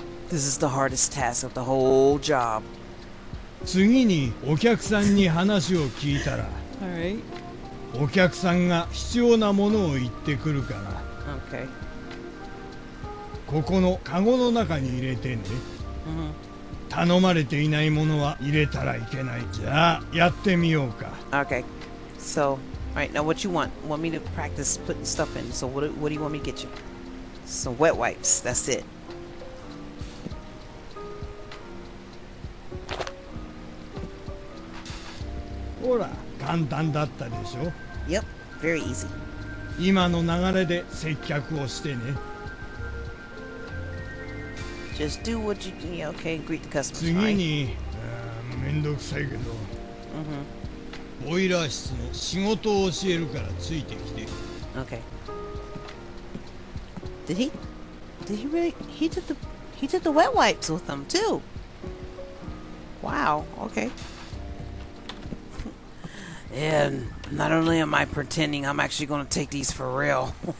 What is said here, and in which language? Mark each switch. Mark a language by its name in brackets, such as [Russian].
[English] This is the hardest task of the whole job. [Japanese] 次にお客さんに話を聞いたら、 [English] Alright. [Japanese] お客さんが必要なものを言ってくるから。 [English] Okay. [Japanese] ここのカゴの中に入れてね、 mm-hmm. 頼まれていないものは入れたらいけないじゃあやってみようか [English] Okay, so, alright, now what you want? Want me to practice putting stuff in, so what do you want me to get you? Some wet wipes, that's it [Japanese] ほら、簡単だったでしょ [English] Yep, very easy [Japanese] 今の流れで接客をしてね [English] Just do what you need, okay? Greet the customers, [Japanese] 次に、right? めんどくさいけど、 mm-hmm. ボイラー室の仕事を教えるからついてきて [English] Okay Did he really, he did the wet wipes with them too Wow, okay And not only am I pretending, I'm actually gonna take these for real